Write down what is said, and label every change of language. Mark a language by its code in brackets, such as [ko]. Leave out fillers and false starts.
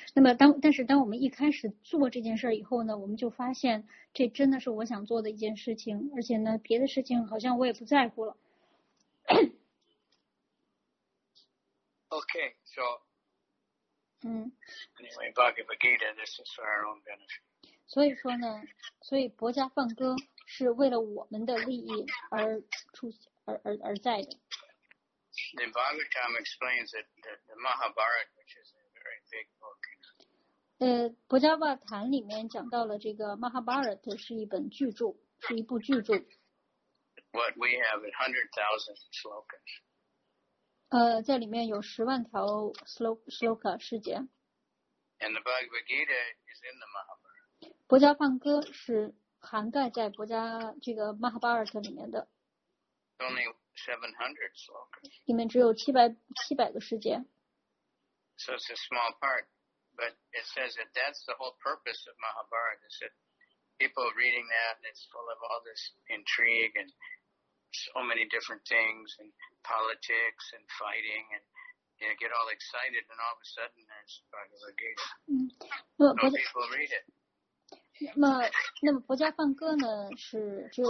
[zh] 那么但是当我们一开始做这件事以后呢，我们就发现这真的是我想做的一件事情，而且呢，别的事情好像我也不在乎了。 [en] Okay, so anyway, Bhagavad Gita, this is for our own benefit. [zh] 所以说呢，所以薄伽梵歌是为了我们的利益而出而在的。 [en] The Bhagavatam explains that the Mahabharata, which is a very big book. [zh] 薄伽瓦坛里面讲到了这个 Mahabharata 是一本巨著，是一部巨著。 [en] What we have is 100,000 slokas. [zh] 在里面有10万条 sloka 世界。 [en] And the Bhagavad Gita is in the Mahabharata. [zh] 薄伽梵歌是涵盖在薄伽这个 Mahabharata 里面的。 [en] Only 700 sloka. [zh] 里面只有700个世界。 [en] So it's a small part, but it says that that's the whole purpose of Mahabharata. Is that people reading that and it's full of all this intrigue and so many different things and. Politics and fighting, and you know, get all excited, and all of a sudden, there's Bhagavad Gita. No people read it. [zh] 那么薄伽梵歌呢是只有